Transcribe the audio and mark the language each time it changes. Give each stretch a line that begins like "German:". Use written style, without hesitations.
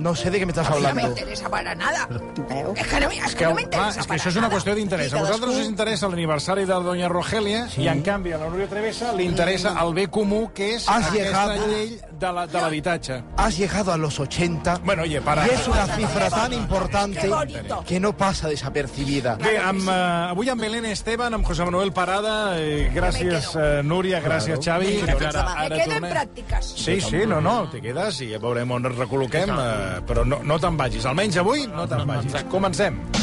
Catalan: No sé de què m'estàs parlant. No m'interessa per a nada. És que això és una qüestió d'interès. A vosaltres us interessa l'aniversari de doña Rogelia i, en canvi, a la Núria Travessa li interessa el bé comú, que és aquesta llei de l'habitatge.
Spanish: Has llegado a los 80. Bueno, oye, para. Y es una cifra tan importante que no pasa desapercibida.
Catalan: Bé, avui amb Belén Esteban, amb José Manuel Parada, gràcies, Núria, gràcies, Xavi.
Spanish: Me quedo en pràctiques.
Catalan: Sí, no, te quedes i ja veurem on ens recol·loquem. Però no te'n vagis, almenys avui no te'n vagis. Comencem.